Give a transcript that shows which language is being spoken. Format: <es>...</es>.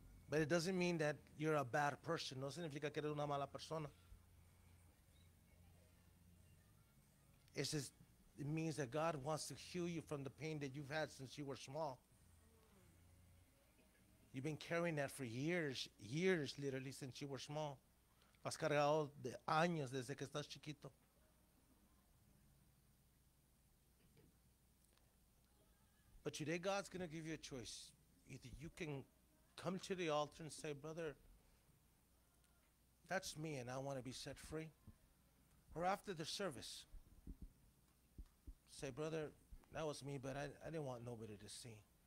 <en>But it doesn't mean that you're a bad person.</en> <es>No significa que eres una mala persona.</es> <en>It means that God wants to heal you from the pain that you've had since you were small. You've been carrying that for years, literally, since you were small.</en> <es>Has cargado de años desde que estás chiquito.</es> <en>But today God's going to give you a choice. Either you can come to the altar and say, brother, that's me and I want to be set free. Or after the service, say, brother, that was me, but I didn't want nobody to see.</en>